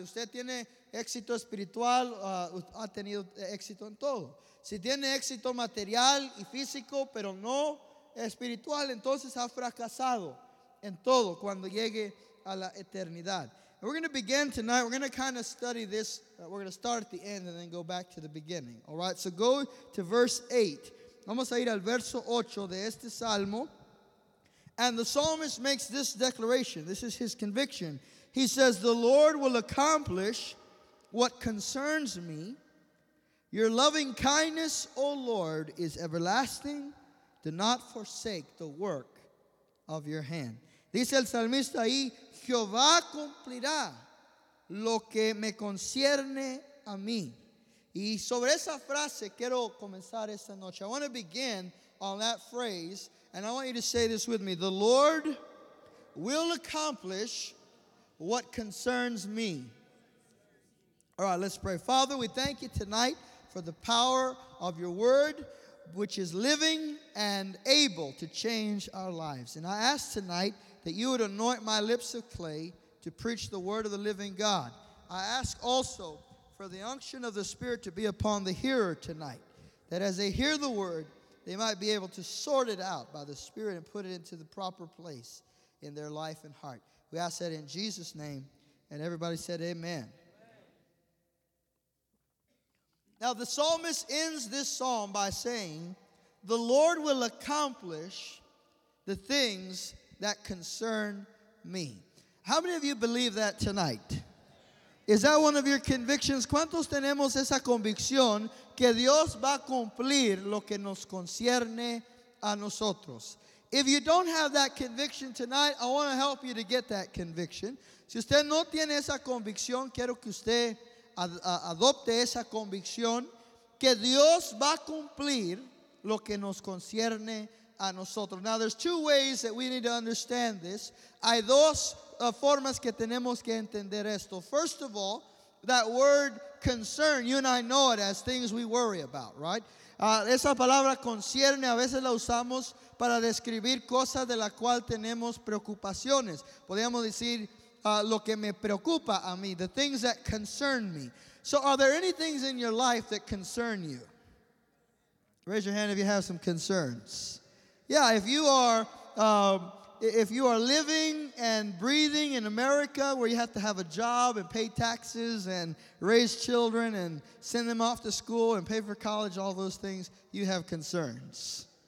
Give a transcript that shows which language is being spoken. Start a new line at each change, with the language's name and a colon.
Spanish: Usted tiene éxito espiritual, ha tenido éxito en todo. Si tiene éxito material y físico, pero no espiritual, entonces ha fracasado en todo cuando llegue a la eternidad.
English: And we're going to begin tonight. We're going to kind of study this. We're going to start at the end and then go back to the beginning. All right, so go to verse 8.
Spanish: Vamos a ir al verso 8 de este salmo.
English: And the psalmist makes this declaration. This is his conviction. He says, "The Lord will accomplish what concerns me. Your loving kindness, O Lord, is everlasting. Do not forsake the work of your hand."
Spanish: Dice el salmista ahí, Jehová cumplirá lo que me concierne a mí. Y sobre esa frase quiero comenzar esta noche.
English: I want to begin on that phrase, and I want you to say this with me. The Lord will accomplish what concerns me. All right, let's pray. Father, we thank you tonight for the power of your word, which is living and able to change our lives. And I ask tonight that you would anoint my lips of clay to preach the word of the living God. I ask also for the unction of the Spirit to be upon the hearer tonight, that as they hear the word, they might be able to sort it out by the Spirit and put it into the proper place in their life and heart. We ask that in Jesus' name, and everybody said amen. Amen. Now, the psalmist ends this psalm by saying, "The Lord will accomplish the things that concern me." How many of you believe that tonight? Is that one of your convictions?
Spanish: ¿Cuántos tenemos esa convicción que Dios va a cumplir lo que nos concierne a nosotros?
English: If you don't have that conviction tonight, I want to help you to get that conviction.
Spanish: Si usted no tiene esa convicción, quiero que usted adopte esa convicción que Dios va a cumplir lo que nos concierne a nosotros.
English: Now, there's two ways that we need to understand this.
Spanish: Hay dos formas que tenemos que entender esto.
English: First of all, that word concern, you and I know it as things we worry about, right?
Spanish: Esa palabra concierne a veces la usamos para describir cosas de la cual tenemos preocupaciones. Podríamos decir lo que me preocupa a mí,
English: the things that concern me. So are there any things in your life that concern you? Raise your hand if you have some concerns. Yeah, if you are living and breathing in America where you have to have a job and pay taxes and raise children and send them off to school and pay for college, all those things, you have concerns.